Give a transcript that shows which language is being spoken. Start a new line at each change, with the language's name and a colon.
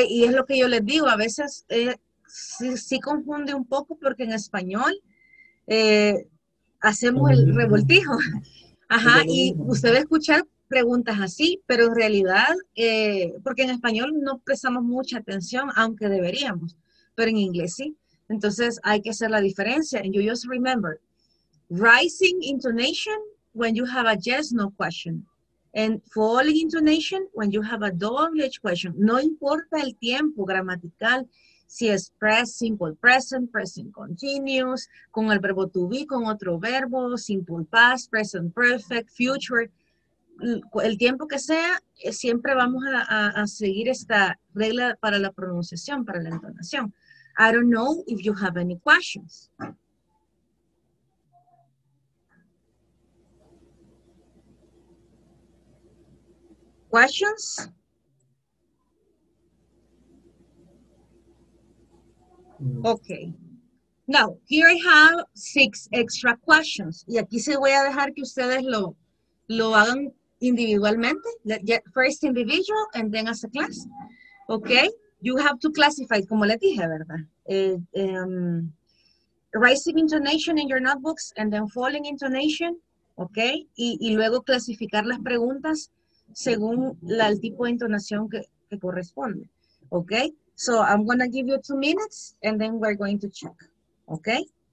Spanish: Y es lo que yo les digo. A veces sí confunde un poco porque en español hacemos el revoltijo. Ajá. Y usted va a escuchar preguntas así, pero en realidad, porque en español no prestamos mucha atención, aunque deberíamos, pero en inglés sí. Entonces hay que hacer la diferencia.
English: And you just remember, rising intonation when you have a yes, no question. And falling intonation when you have a double H question.
Spanish: No importa el tiempo gramatical, si es simple present, present continuous, con el verbo to be, con otro verbo, simple past, present perfect, future. el tiempo que sea, siempre vamos a seguir esta regla para la pronunciación, para la entonación.
English: I don't know if you have any questions. Questions? Okay. Now, here I have 6 extra questions.
Spanish: Y aquí se voy a dejar que ustedes lo hagan individualmente.
English: First individual and then as a class. Okay? You have to classify,
Spanish: como les dije, ¿verdad?
English: Rising intonation in your notebooks and then falling intonation. Okay?
Spanish: Y luego clasificar las preguntas según el tipo de entonación que corresponde.
English: Okay? So I'm going to give you 2 minutes and then we're going to check. Okay?